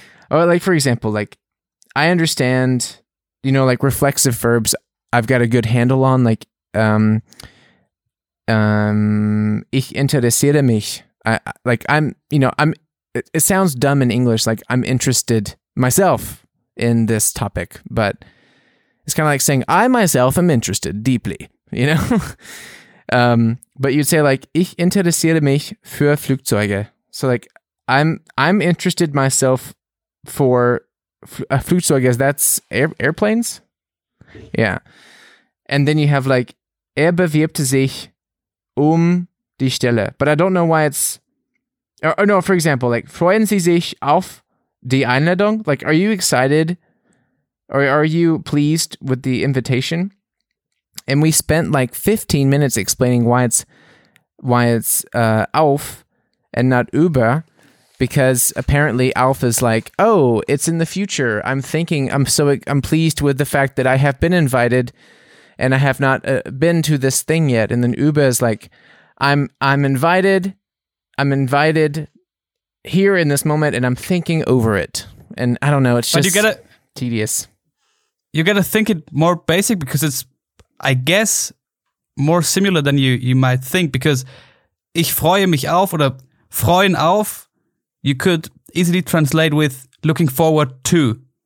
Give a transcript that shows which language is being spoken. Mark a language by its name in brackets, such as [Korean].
[English] Oh, like for example, like I understand, you know, like reflexive verbs, I've got a good handle on, like, [German] ich interessiere mich. [English] It sounds dumb in English, like I'm interested myself in this topic, but it's kind of like saying, I myself am interested deeply, you know? but you'd say like, [German] ich interessiere mich für Flugzeuge. [English] So like, I'm interested myself for Flugzeug, I guess that's airplanes? Yeah. And then you have like, [German] bewirbt sich die Stelle. [English] But I don't know why it's... Or no, for example, like, [German] freuen Sie sich auf die Einladung? [English] Like, are you excited? Or are you pleased with the invitation? And we spent like 15 minutes explaining why it's auf and not über. Because apparently Alpha's like, oh, it's in the future. I'm thinking, I'm pleased with the fact that I have been invited and I have not been to this thing yet. And then Uber is like, I'm invited here in this moment and I'm thinking over it. And I don't know, it's just tedious. You gotta think it more basic because it's, I guess, more similar than you might think. Because [German] ich freue mich auf oder freuen auf, [English] you could easily translate with looking forward to.